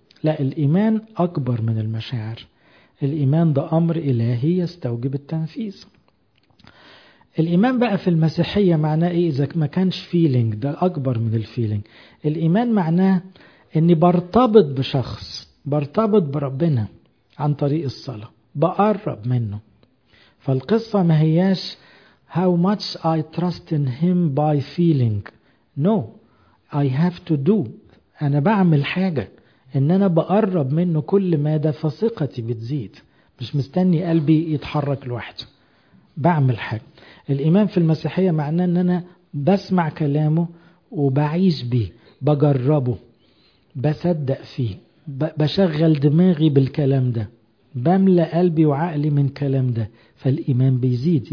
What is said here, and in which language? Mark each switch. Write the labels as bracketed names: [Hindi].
[Arabic] لا، الايمان اكبر من المشاعر، الايمان ده امر الهي يستوجب التنفيذ. الايمان بقى في المسيحية معناه ايه اذا ما كانش فيلينج؟ ده اكبر من الفيلينج. الايمان معناه اني برتبط بشخص، برتبط بربنا عن طريق الصلاة، بقرب منه. فالقصة ما هياش [English] how much I trust in him by feeling. No, I have to do. [Arabic] أنا بعمل حاجة، إن أنا بقرب منه كل مادة فثقتي بتزيد، مش مستني قلبي يتحرك لوحده، بعمل حاجة. الإيمان في المسيحية معناه إن أنا بسمع كلامه وبعيش به، بجربه، بصدق فيه، بشغل دماغي بالكلام ده، بملأ قلبي وعقلي من كلام ده، فالإيمان بيزيد.